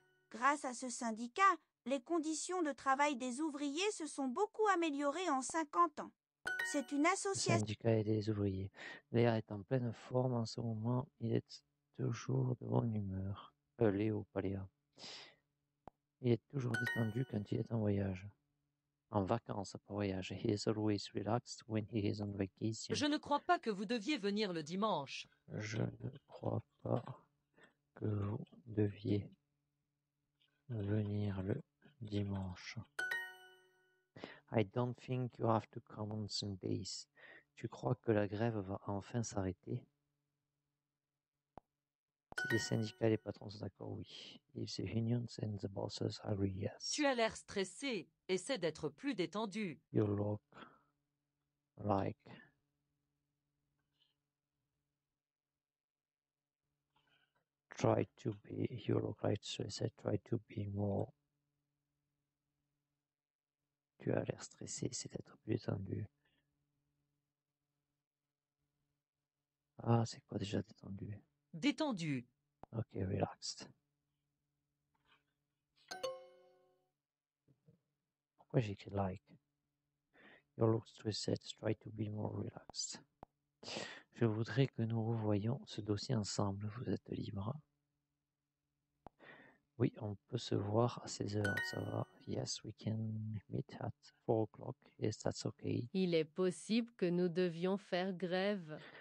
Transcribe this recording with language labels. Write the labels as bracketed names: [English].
[French] Grâce à ce syndicat, les conditions de travail des ouvriers se sont beaucoup améliorées en 50 ans. C'est une association... Syndicat et des ouvriers. Léa est en pleine forme en ce moment. Il est toujours de bonne humeur. Léo, pas Léa. Il est toujours détendu quand il est en voyage. En vacances, pas voyage. [English] He is always relaxed when he is on vacation. [French] Je ne crois pas que vous deviez venir le dimanche. Je ne crois pas que vous deviez venir le dimanche. [English] I don't think you have to come on Sundays. [French] Tu crois que la grève va enfin s'arrêter? Si les syndicats et les patrons sont d'accord, oui. [English] If the unions and the bosses agree, yes. [French] Tu as l'air stressé. Essaie d'être plus détendu. [English] You look like try to be, you look like stressed, try to be more. [French] Tu as l'air stressé, c'est d'être plus détendu. Ah, c'est quoi déjà détendu? Détendu. [English] Ok, relaxed. [French] Pourquoi j'ai écrit like? [English] You look stressed, try to be more relaxed. [French] Je voudrais que nous revoyions ce dossier ensemble, vous êtes libre. Oui, on peut se voir à 16 heures, ça va. [English] Yes, we can meet at 4 o'clock. Yes, that's okay. [French] Il est possible que nous devions faire grève.